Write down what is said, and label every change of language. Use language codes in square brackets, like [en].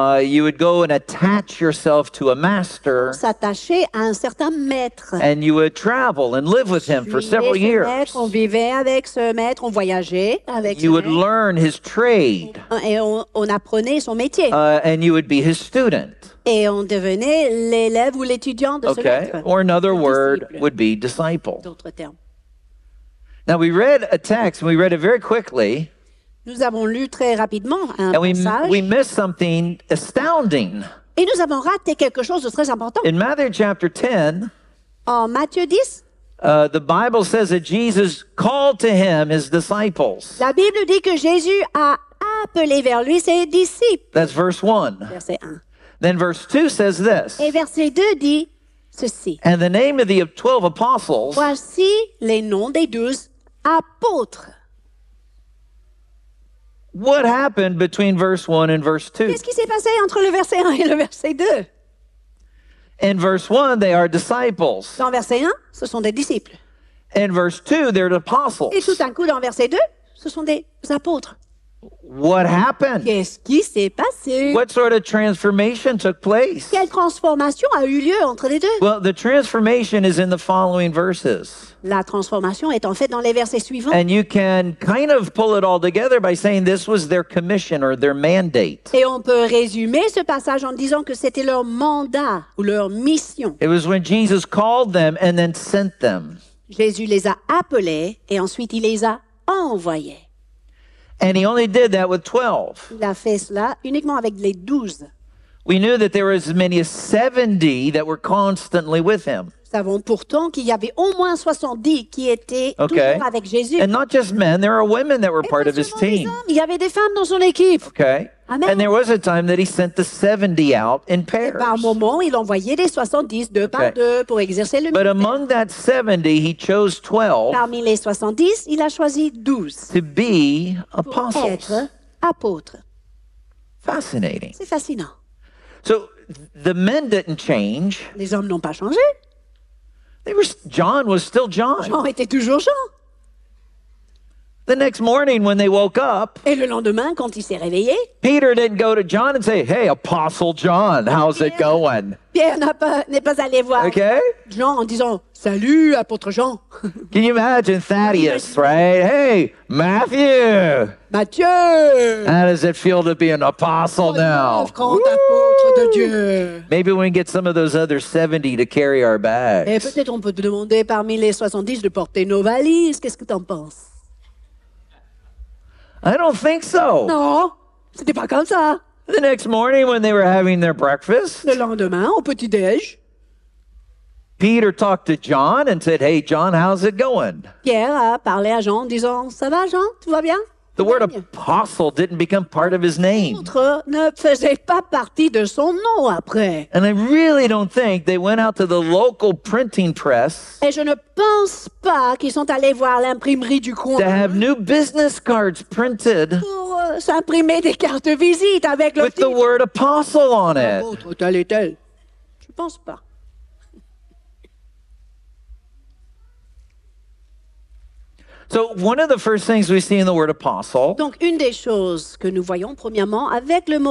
[en] You would go and attach yourself to a master. [fr] S'attacher à un certain maître. [en] And you would travel and live with him for several years. [fr] On vivait avec ce maître, on voyageait avec [en] You would learn his trade. [fr] Et on apprenait son métier. [en] And you would be his student. [fr] Et on devenait l'élève ou l'étudiant de ce okay. maître. [en] Or another word would be disciple. [fr] D'autres termes. [en] Now we read a text, and we read it very quickly. [fr] Nous avons lu très rapidement un [en] and [fr] passage. [en] We missed something astounding. [fr] Et nous avons raté quelque chose de très important. [en] In Matthew chapter 10, [fr] en Matthieu 10, [en] The Bible says that Jesus called to him his disciples. [fr] La Bible dit que Jésus a appelé vers lui ses disciples. [en] That's verse 1. [fr] Verset 1. [en] Then verse 2 says this. [fr] Et verset 2 dit, ceci. [en] And the name of the 12 apostles. [fr] Voici les noms des 12 apôtres. [en] What happened between verse 1 and verse 2? [fr] Qu'est-ce qui s'est passé entre le verset 1 et le verset 2? [en] In verse 1, they are disciples. [fr] Dans verset 1, ce sont des disciples. [en] In verse 2, they're apostles. [fr] Et tout d'un coup, dans verset 2, ce sont des apôtres. [en] What happened? [fr] Qu'est-ce qui s'est passé? [en] What sort of transformation took place? [fr] Quelle transformation a eu lieu entre les deux? [en] Well, the transformation is in the following verses. [fr] La transformation est en fait dans les versets suivants. [en] And you can kind of pull it all together by saying this was their commission or their mandate. [fr] Et on peut résumer ce passage en disant que c'était leur mandat ou leur mission. [en] It was when Jesus called them and then sent them. [fr] Jésus les a appelés et ensuite il les a envoyés. [en] And he only did that with 12. [fr] Il a fait cela uniquement avec les 12. [en] We knew that there were as many as 70 that were constantly with him. [fr] Nous savons pourtant qu'il y avait au moins 70 qui étaient okay. toujours avec Jésus. [en] And not just men, there were women that were [fr] Et [en] part of his team. [fr] Hommes, il y avait des femmes dans son équipe. Okay. Amen. [en] And there was a time that he sent the 70 out in pairs. [fr] Et par moment, il envoyait les 70 deux okay. par deux pour exercer le [en] But [fr] ministère. [en] Among that 70, he chose 12. [fr] Parmi les 70, il a choisi 12. [en] To be apostles. [fr] Pour être apôtres. [en] Fascinating. [fr] C'est fascinant. [en] So the men didn't change. [fr] Les hommes n'ont pas changé. [en] John was still John. [fr] Jean était toujours Jean. [en] The next morning when they woke up, [fr] Et le lendemain, quand il s'est réveillé, [en] Peter didn't go to John and say, hey, Apostle John, how's Pierre, it going? [fr] Pierre n'est pas allé voir okay? Jean en disant, salut, apôtre Jean. [en] Can you imagine Thaddeus, right? Hey, Matthew. [fr] Mathieu. [en] How does it feel to be an apostle now? [fr] Grand apôtre de Dieu. [en] Maybe we can get some of those other 70 to carry our bags. [fr] Et peut-être on peut te demander parmi les 70 de porter nos valises. Qu'est-ce que t'en penses? [en] I don't think so. [fr] Non, c'était pas comme ça. [en] The next morning when they were having their breakfast. [fr] Le lendemain, au petit déj. [en] Peter talked to John and said, hey, John, how's it going? [fr] Pierre a parlé à Jean en disant, ça va, Jean, tout va bien? [en] The word apostle didn't become part of his name. [fr] L'autre ne faisait pas partie de son nom après. [en] And I really don't think they went out to the local printing press. [fr] Et je ne pense pas qu'ils sont allés voir l'imprimerie du coin. [en] To have new business cards printed. [fr] Pour s'imprimer des cartes de visite avec le [en] With [fr] titre. [en] The word apostle on it. [fr] L'autre tel et tel. Je pense pas. [en] So one of the first things we see in the word apostle [fr] Donc, une des choses que nous voyons premièrement avec le mot